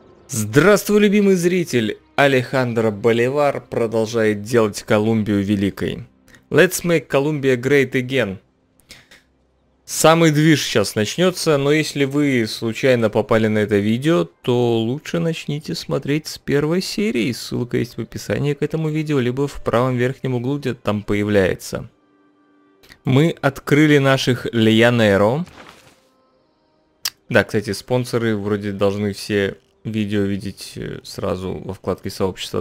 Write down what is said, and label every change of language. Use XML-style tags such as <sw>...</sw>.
<ru>Здравствуй, любимый зритель! Алехандро Боливар продолжает делать Колумбию великой.</ru> <en>Let's make Columbia great again.</en> <ru>Самый движ сейчас начнется, но если вы случайно попали на это видео, то лучше начните смотреть с первой серии. Ссылка есть в описании к этому видео, либо в правом верхнем углу, где там появляется. Мы открыли наших Льянеро. Да, кстати, спонсоры вроде должны все видео видеть сразу во вкладке сообщества.</ru>